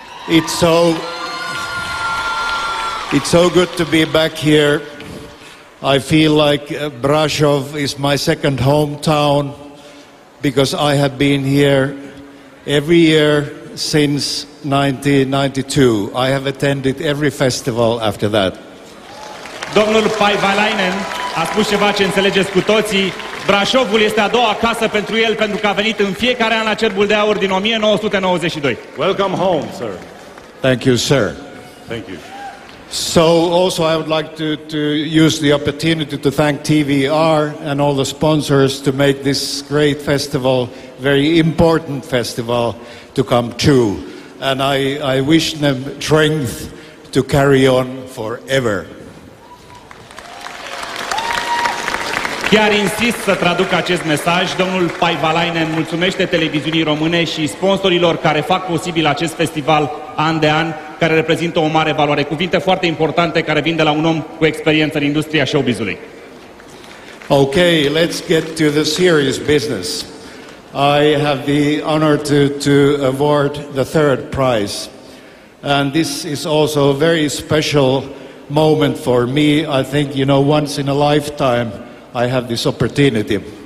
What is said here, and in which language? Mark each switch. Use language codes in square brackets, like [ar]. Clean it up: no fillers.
[en] It's so good to be back here. I feel like Brasov is my second hometown because I have been here every year since 1992. I have attended every festival after that. [ro] Domnul Paivalainen a spus ceva ce înțelegeți cu toții. Brașovul este a doua casă pentru el pentru că a venit în fiecare an la Cerbul de Aur din 1992. [en] Welcome home, sir. Thank you, sir. Thank you. So also I would like to use the opportunity to thank TVR and all the sponsors to make this great festival, very important festival, to come true. And I wish them strength to carry on forever. [ro] Chiar insist să traduc acest mesaj. Domnul Paivalainen mulțumește televiziunii române și sponsorilor care fac posibil acest festival an de an, care reprezintă o mare valoare. Cuvinte foarte importante care vin de la un om cu experiență în industria showbizului. [en] Ok, let's get to the serious business. I have the honor to award the third prize. And this is also a very special moment for me. I think, you know, once in a lifetime I have this opportunity.